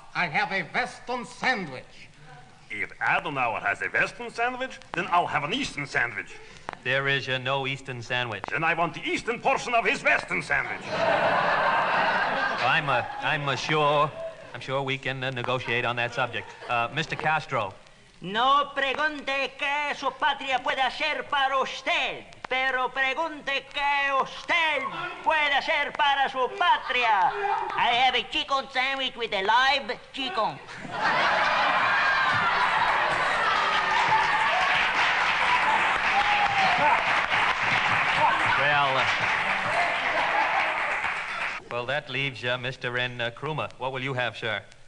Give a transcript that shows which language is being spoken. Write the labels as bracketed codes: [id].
[en] I have a Western sandwich. If Adenauer has a Western sandwich, then I'll have an Eastern sandwich. There is no Eastern sandwich. Then I want the Eastern portion of his Western sandwich. I'm sure we can negotiate on that subject. Mr. Castro. [es] No pregunte qué su patria puede hacer para usted. Pero pregunte qué usted puede hacer para su patria. [en] I have a chicken sandwich with a live chicken. Well, that leaves you, Mr. N. Krumah. What will you have, sir?